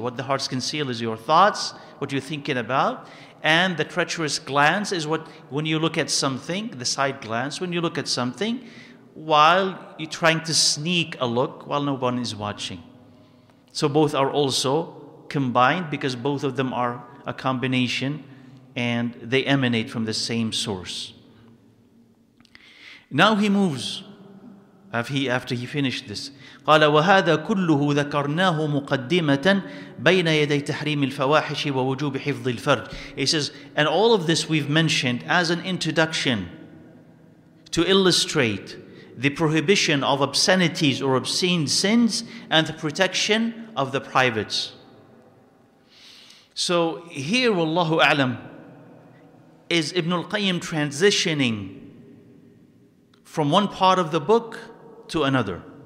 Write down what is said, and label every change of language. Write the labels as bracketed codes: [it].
[en] What the hearts conceal is your thoughts, what you're thinking about, and the treacherous glance is what, when you look at something, the side glance, when you look at something, while you're trying to sneak a look while no one is watching. So both are also combined, because both of them are a combination and they emanate from the same source. Now he moves after he finished this. [ar] قال وهذا كله ذكرناه مقدمة بين يدي تحريم الفواحش ووجوب حفظ الفرج. [en] He says, and all of this we've mentioned as an introduction to illustrate the prohibition of obscenities or obscene sins and the protection of the privates. So here, wallahu a'lam, is Ibn al-Qayyim transitioning from one part of the book to another.